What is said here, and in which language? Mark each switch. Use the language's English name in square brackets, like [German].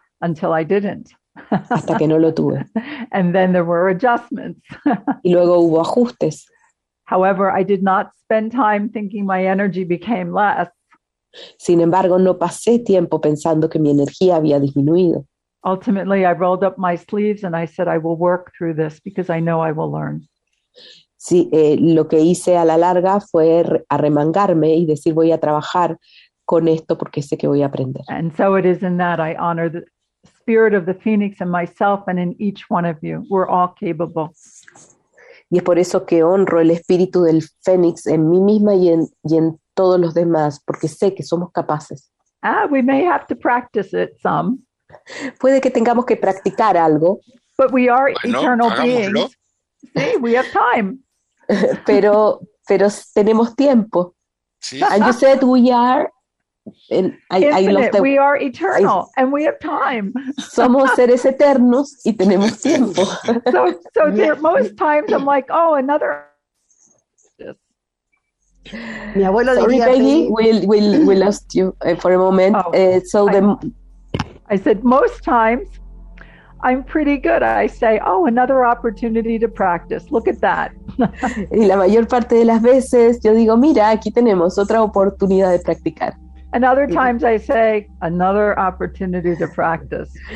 [English] Until I didn't. [Spanish] Hasta que no lo tuve. [English] And then there were adjustments. [Spanish] Y luego hubo ajustes. [English] However, I did not spend time thinking my energy became less. [Spanish] Sin embargo, no pasé tiempo pensando que mi energía había disminuido. [English] Ultimately, I rolled up my sleeves and I said, I will work through this because I know I will learn. [Spanish] Sí, lo que hice a la larga fue arremangarme y decir, voy a trabajar con esto porque sé que voy a aprender. [English] And so it is in that I honor the spirit of the phoenix and myself and in each one of you. We're all capable. [Spanish] Y es por eso que honro el espíritu del fénix en mí misma y en todos los demás, porque sé que somos capaces. [English] Ah, we may have to practice it some. [Spanish] Puede que tengamos que practicar algo. [English] But we are eternal beings. Sí, we have time. [Spanish] pero tenemos tiempo. Sí. [English] And you said we are. We are eternal and we have time. [Spanish] Somos seres eternos y tenemos tiempo. [English] So there, most times I'm like, oh, another. [Spanish] Mi abuelo [English] Sorry, [Spanish] diría [English] Peggy, we lost you for a moment. I said, most times I'm pretty good. I say, oh, another opportunity to practice. Look at that. [Spanish] Y la mayor parte de las veces yo digo, mira, aquí tenemos otra oportunidad de practicar. [English] And other times I say, another opportunity to practice.